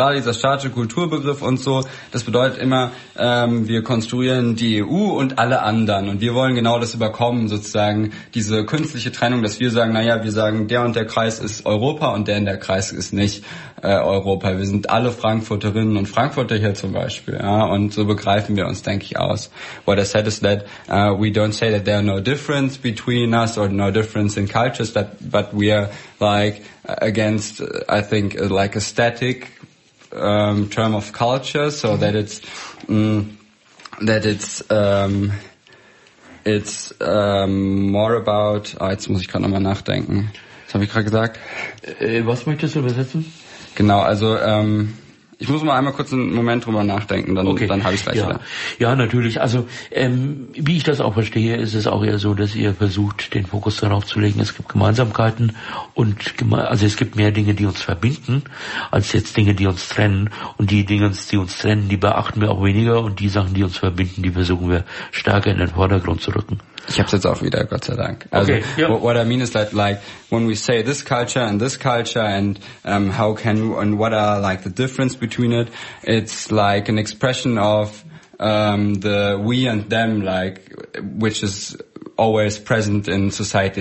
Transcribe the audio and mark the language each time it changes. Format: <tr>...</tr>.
<de>Gerade dieser statische Kulturbegriff und so, das bedeutet immer, wir konstruieren die EU und alle anderen, und wir wollen genau das überkommen, sozusagen diese künstliche Trennung, dass wir sagen, naja, wir sagen, der und der Kreis ist Europa und der und der Kreis ist nicht Europa. Wir sind alle Frankfurterinnen und Frankfurter hier zum Beispiel, ja, und so begreifen wir uns, denke ich, aus.</de> <en>What I said is that we don't say that there are no difference between us or no difference in cultures, but we are like against, I think, like a static term of culture, so that it's more about.</en> <de>Oh, jetzt muss ich gerade nochmal nachdenken. Was habe ich gerade gesagt? Was möchtest du übersetzen? Genau, also ich muss mal einmal kurz einen Moment drüber nachdenken, dann habe ich es gleich wieder. Ja, natürlich. Also wie ich das auch verstehe, ist es auch eher so, dass ihr versucht, den Fokus darauf zu legen, es gibt Gemeinsamkeiten und also es gibt mehr Dinge, die uns verbinden, als jetzt Dinge, die uns trennen. Und die Dinge, die uns trennen, die beachten wir auch weniger, und die Sachen, die uns verbinden, die versuchen wir stärker in den Vordergrund zu rücken. Ich hab's jetzt auch wieder, Gott sei Dank.</de> <en>Also, okay, yep. What I mean is that, like, when we say this culture, and how can, and what are, like, the difference between it, it's like an expression of the we and them, like, which is always present in society.</en>